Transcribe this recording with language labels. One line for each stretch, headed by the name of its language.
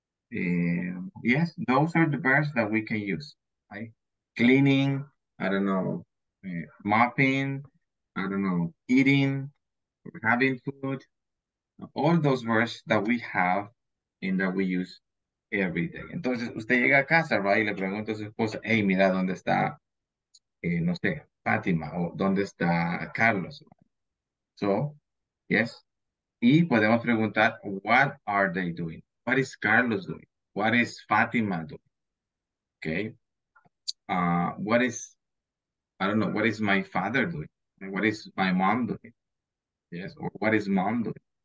English: Yes, those are the verbs that we can use, right? Cleaning, I don't know, mopping, I don't know, eating, having food. All those verbs that we have and that we use every day.
Spanish: Entonces, usted llega a casa, right? Y le pregunta a su esposa, hey, mira, ¿dónde está, no sé, Fátima? O, ¿dónde está Carlos?
English: So, yes,
Spanish: y podemos preguntar,
English: what are they doing? What is Carlos doing? What is Fatima doing? Okay, what is my father doing? What is my mom doing? Yes, or what is mom doing?